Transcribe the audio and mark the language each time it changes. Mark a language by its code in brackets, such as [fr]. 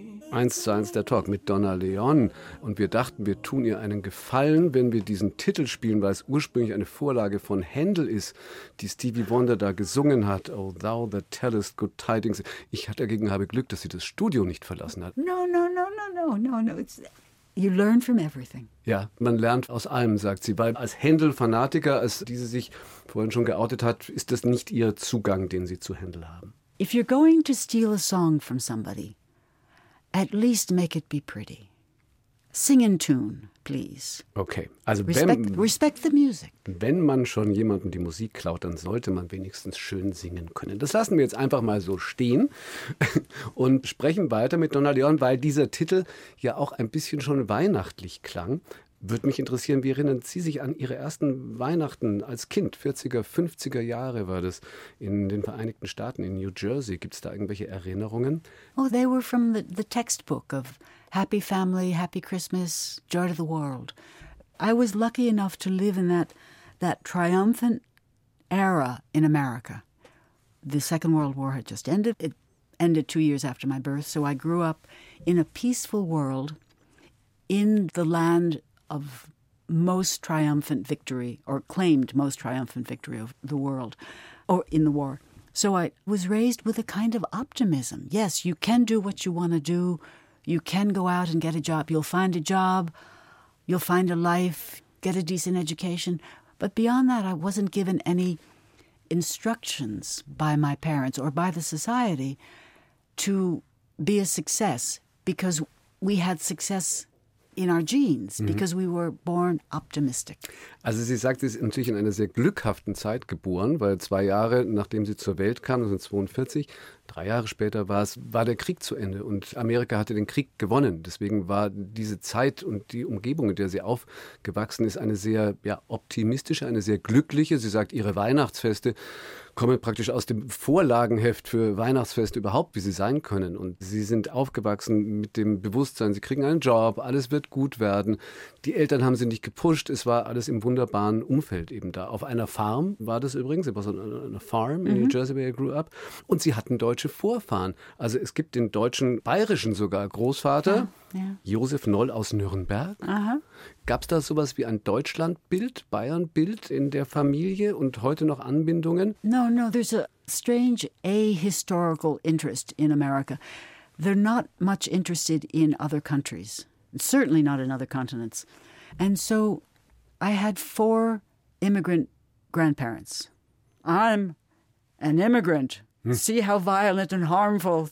[de] 1 zu 1 der Talk mit Donna Leon. Und wir dachten, wir tun ihr einen Gefallen, wenn wir diesen Titel spielen, weil es ursprünglich eine Vorlage von Händel ist, die Stevie Wonder da gesungen hat. [en] Oh, thou that tellest good tidings. [de] Ich dagegen habe Glück, dass sie das Studio nicht verlassen hat. [en] No. It's, you learn from everything. [de] Ja, man lernt aus allem, sagt sie. Weil als Händel-Fanatiker, als diese sich vorhin schon geoutet hat, ist das nicht ihr Zugang, den sie zu Händel haben. [en] If you're going to steal a song from somebody, at least make it be pretty. Sing in tune, please. [de] Okay, also [en] respect the music. [de] Wenn man schon jemandem die Musik klaut, dann sollte man wenigstens schön singen können. Das lassen wir jetzt einfach mal so stehen und sprechen weiter mit Donna Leon, weil dieser Titel ja auch ein bisschen schon weihnachtlich klang. Würde mich interessieren, wie erinnern Sie sich an Ihre ersten Weihnachten als Kind? 40er, 50er Jahre war das in den Vereinigten Staaten, in New Jersey. Gibt es da irgendwelche Erinnerungen? [en] Oh, they were from the textbook of happy family, happy Christmas, joy to the world. I was lucky enough to live in that triumphant era in America. The Second World War had just ended. It ended 2 years after my birth. So I grew up in a peaceful world in the land of most triumphant victory, or claimed most triumphant victory of the world, or in the war. So I was raised with a kind of optimism. Yes, you can do what you want to do. You can go out and get a job. You'll find a job. You'll find a life. Get a decent education. But beyond that, I wasn't given any instructions by my parents or by the society to be a success, because we had success in our genes, because we were born optimistic. [de] Also sie sagt, sie ist natürlich in einer sehr glückhaften Zeit geboren, weil 2 Jahre, nachdem sie zur Welt kam, also 42, 3 Jahre später war der Krieg zu Ende und Amerika hatte den Krieg gewonnen. Deswegen war diese Zeit und die Umgebung, in der sie aufgewachsen ist, eine sehr optimistische, eine sehr glückliche. Sie sagt, ihre Weihnachtsfeste kommen praktisch aus dem Vorlagenheft für Weihnachtsfeste überhaupt, wie sie sein können. Und sie sind aufgewachsen mit dem Bewusstsein, sie kriegen einen Job, alles wird gut werden. Die Eltern haben sie nicht gepusht, es war alles im wunderbaren Umfeld eben da. Auf einer Farm war das übrigens, [en] it was on a farm in New Jersey, where I grew up. [de] Und sie hatten deutsche Vorfahren. Also es gibt den deutschen, bayerischen sogar Großvater, Josef Noll aus Nürnberg. Gab es da sowas wie ein Deutschlandbild, Bayernbild in der Familie und heute noch Anbindungen? [en] No, there's a strange ahistorical interest in America. They're not much interested in other countries. Certainly not in other continents. And so I had 4 immigrant grandparents. I'm an immigrant. See how violent and harmful.